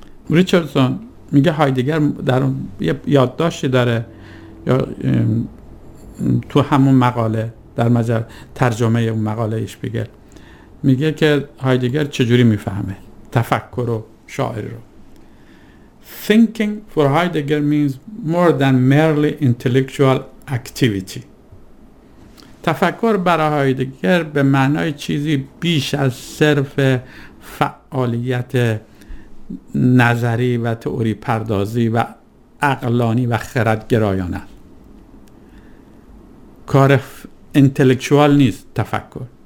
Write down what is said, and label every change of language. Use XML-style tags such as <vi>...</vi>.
<fa>ریچاردسون میگه هایدگر در اون یادداشتی داره یا تو همون مقاله در مجله ترجمه اون مقاله ایش بگه، میگه که هایدگر چجوری میفهمه تفکر و شاعری رو.</fa> <en>Thinking for Heidegger means more than merely intellectual activity.</en> <fa>تفکر برای هایدگر به معنای چیزی بیش از صرف فعالیت نظری و تئوری پردازی و عقلانی و خردگرایانه، کار انتلیکچوال نیست تفکر.</fa>